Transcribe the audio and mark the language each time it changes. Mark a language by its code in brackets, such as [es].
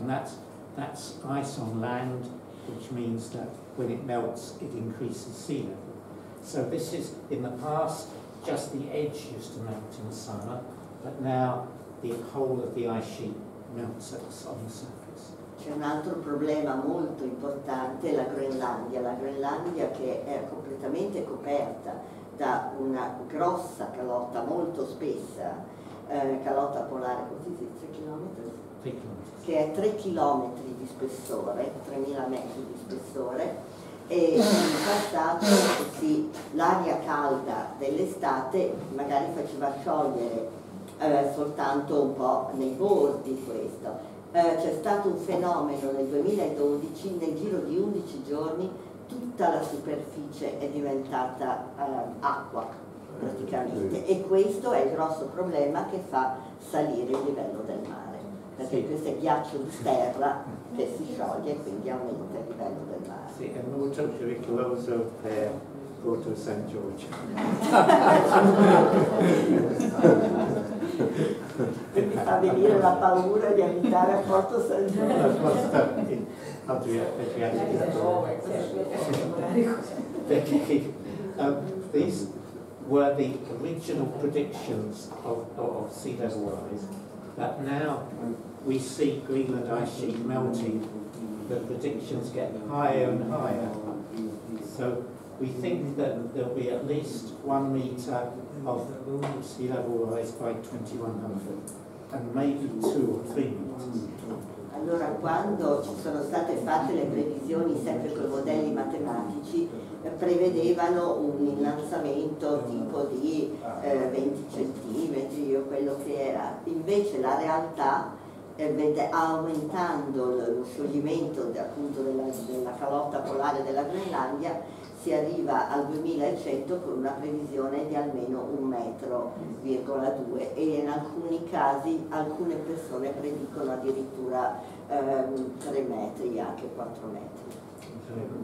[en] And that's ice on land, which means that when it melts, it increases sea level. So this is, in the past, just the edge used to melt in summer, but now the whole of the ice sheet melts on the surface. [it] C'è un altro problema molto importante, la Groenlandia. La Groenlandia che è completamente coperta da una grossa calotta, molto spessa, calotta polare, così si dice, 3 chilometri? Che è 3 chilometri di spessore, 3.000 metri di spessore, e in passato sì, l'aria calda dell'estate magari faceva sciogliere soltanto un po' nei bordi questo. C'è stato un fenomeno nel 2012, nel giro di 11 giorni tutta la superficie è diventata acqua praticamente, e questo è il grosso problema che fa salire il livello del mare, perché questo è ghiaccio di terra che si scioglie e quindi aumenta il livello del mare. [en] Sì, and we're talking about close up Port of St. George. [it] Mi fa venire la paura di abitare a Porto San Giorgio. [en] These were the original predictions of sea level rise, but now we see Greenland ice sheet melting, the predictions get higher and higher. So we think that there'll be at least 1 meter of sea level rise by 2100. And maybe 2 or 3 meters. [it] Allora, quando ci sono state fatte le previsioni sempre con modelli matematici, prevedevano un innalzamento tipo di 20 centimetri o quello che era. Invece la realtà vede aumentando lo scioglimento appunto della calotta polare della Groenlandia, si arriva al 2100 con una previsione di almeno 1,2 metri, e in alcuni casi alcune persone predicono addirittura 3 metri, anche 4 metri.